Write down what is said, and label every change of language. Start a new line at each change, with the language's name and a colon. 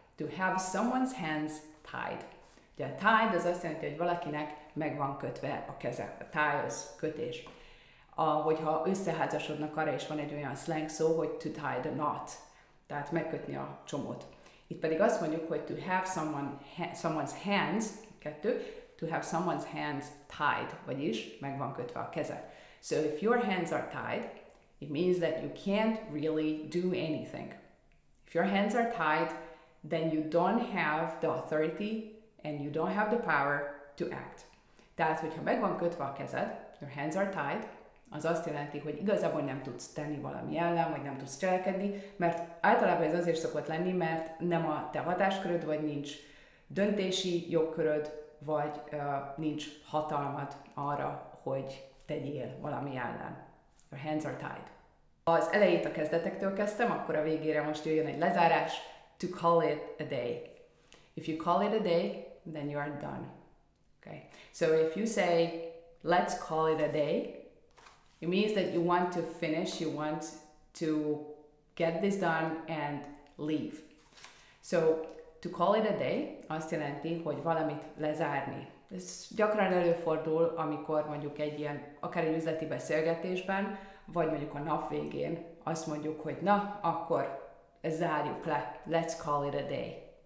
English: To have someone's hands tied.
Hungarian: Ugye a tied az azt jelenti, hogy valakinek meg van kötve a keze. A tie az kötés. Hogyha összeházasodnak, arra is van egy olyan slang szó, hogy
English: to tie the knot.
Hungarian: Tehát megkötni a csomót. Itt pedig azt mondjuk, hogy to have someone's hands, kettő,
English: to have someone's hands tied,
Hungarian: vagyis meg van kötve a keze.
English: So if your hands are tied, it means that you can't really do anything. If your hands are tied, then you don't have the authority and you don't have the power to act.
Hungarian: Tehát, hogyha meg van kötve a kezed,
English: your hands are tied,
Hungarian: az azt jelenti, hogy igazából nem tudsz tenni valami ellen, vagy nem tudsz cselekedni, mert általában ez azért szokott lenni, mert nem a te hatásköröd, vagy nincs döntési jogköröd, vagy nincs hatalmad arra, hogy tegyél valami ellen.
English: Your hands are tied.
Hungarian: Az elejét a kezdetektől kezdtem, akkor a végére most jöjjön egy lezárás.
English: To call it a day. If you call it a day, then you are done. Okay. So if you say, let's call it a day, it means that you want to finish, you want to get this done and leave. So to call it a day
Hungarian: azt jelenti, hogy valamit lezárni. Ez gyakran előfordul, amikor mondjuk egy ilyen, akár egy üzleti beszélgetésben, vagy mondjuk a nap végén azt mondjuk, hogy na, akkor ezt zárjuk le,
English: let's call it a day.